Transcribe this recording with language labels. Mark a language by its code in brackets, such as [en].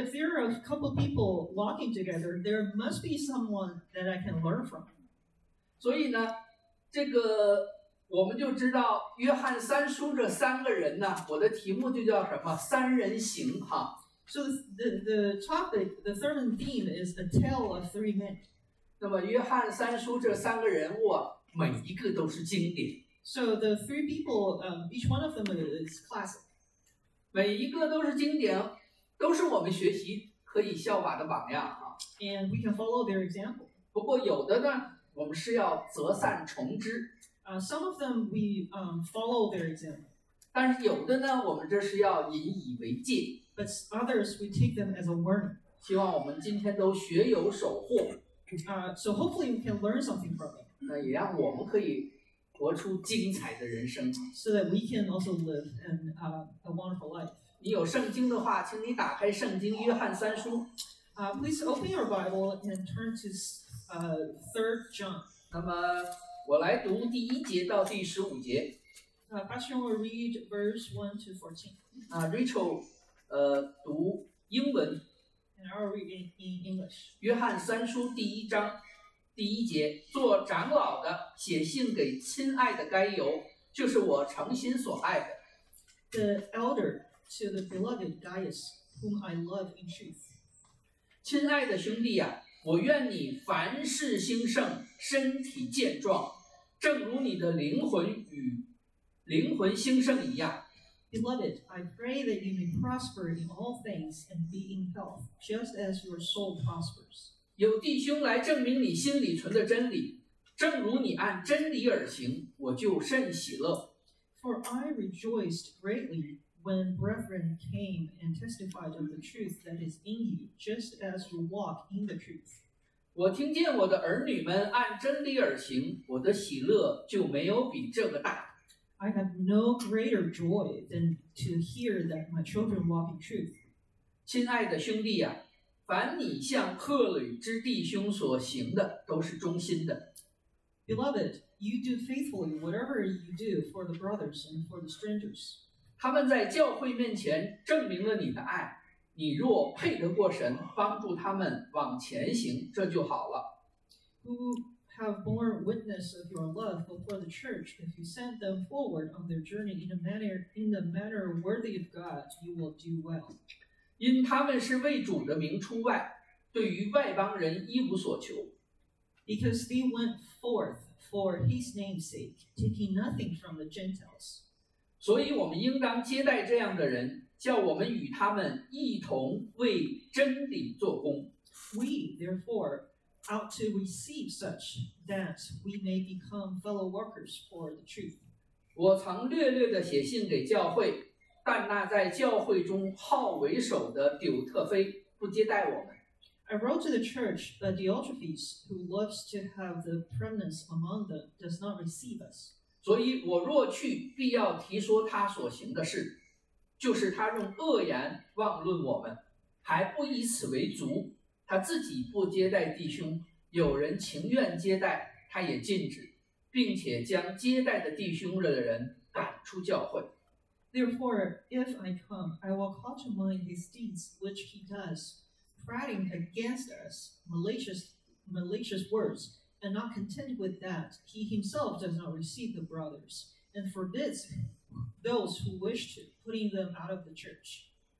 [en] If there are a couple people walking together, there must be someone that I can learn from. [zh] 所以呢这个我们就知道约翰三书这三个人呢，我的题目就叫什么三人行哈。 [en] So the topic, the sermon theme is the tale of three men. [zh] 那么约翰三书这三个人物、啊、每一个都是经典。 [en] So the three people, each one of them is classic. [zh] 每一个都是经典，都是我们学习可以效法的榜样啊。 [en] And we can follow their example. [zh] 不过有的呢，我们是要择善从之。 [en] Some of them we follow their example. [zh] 但是有的呢，我们这是要引以为戒。 [en] But others, we take them as a warning. [zh] 希望我们今天都学有所获。 [en] So hopefully we can learn something from it. [zh] 那也让我们可以活出精彩的人生。 [en] So that we can also live an, a wonderful life. [zh] 你有圣经的话，请你打开圣经约翰三书。 [en] Please open your Bible and turn to Third John. [zh] 那么我来读第一节到第十五节。 [en] Pastor will read verse 1-14. [zh] Rachel. 读英文。 [en] And I'll read it in English. [zh] 约翰三书第一章第一节，做长老的写信给亲爱的该犹，就是我诚心所爱的。 [en] The elder to the beloved Gaius, whom I love in truth. [zh] 亲爱的兄弟啊，我愿你凡事兴盛，身体健壮，正如你的灵魂与灵魂兴盛一样。 [en] Beloved, I pray that you may prosper in all things and be in health, just as your soul prospers. [zh] 有弟兄来证明你心里存的真理，正如你按真理而行，我就甚喜乐。 [en] For I rejoiced greatly when brethren came and testified of the truth that is in you, just as you walk in the truth. [zh] 我听见我的儿女们按真理而行，我的喜乐就没有比这个大。 [en] I have no greater joy than to hear that my children walk in truth. [zh] 亲爱的兄弟啊，凡你向客旅之弟兄所行的，都是忠心的。 [en] Beloved, you do faithfully whatever you do for the brothers and for the strangers. [zh] 他们在教会面前证明了你的爱，你若配得过神，帮助他们往前行，这就好了。 [en] Who have borne witness of your love before the church, if you send them forward on their journey in a manner worthy of God, you will do well. [zh] 因他们是为主的名出外，对于外邦人一无所求。 [en] Because they went forth for his name's sake, taking nothing from the Gentiles. [zh] 所以我们应当接待这样的人，叫我们与他们一同为真理做工。 [en] We, therefore,out to receive such that we may become fellow workers for the truth. [zh] 我曾略略地写信给教会，但那在教会中好为首的丢特菲不接待我们。 [en] I wrote to the church, but Diotrephes, who loves to have the preeminence among them, does not receive us. [zh] 所以我若去，必要提说他所行的事，就是他用恶言妄论我们，还不以此为足。他自己不接待弟兄，有人情愿接待，他也禁止，并且将接待的弟兄的人赶出教会。 [en] Therefore, if I come, I will call to mind his deeds which he does, prating against us malicious words, and not content with that, he himself does not receive the brothers, and forbids those who wish to putting them out of the church.